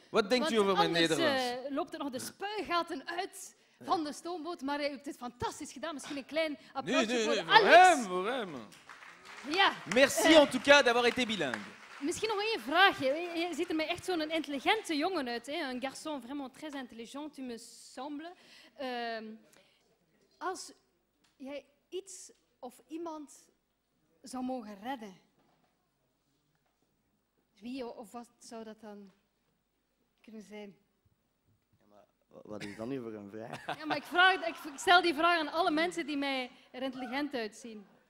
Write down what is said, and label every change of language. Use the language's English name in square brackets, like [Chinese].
[Dutch] Wat denkt u over mijn Nederlands? Anders loopt er nog de spuigaten uit van de stoomboot, maar u hebt het fantastisch gedaan. Misschien een klein applausje voor Alex. Voor hem. Ja. [French] Merci en tout cas d'avoir été bilingue. [Dutch] Misschien nog één vraagje. Je ziet er mij echt zo'n intelligente jongen uit. Hè? [French] Een garçon vraiment très intelligent, tu me semble. [Dutch] Als jij iets of iemand zou mogen redden, wie of wat zou dat dan kunnen zijn? Ja, maar wat is dan nu voor een vraag? Ja, maar ik stel die vraag aan alle mensen die mij er intelligent uitzien.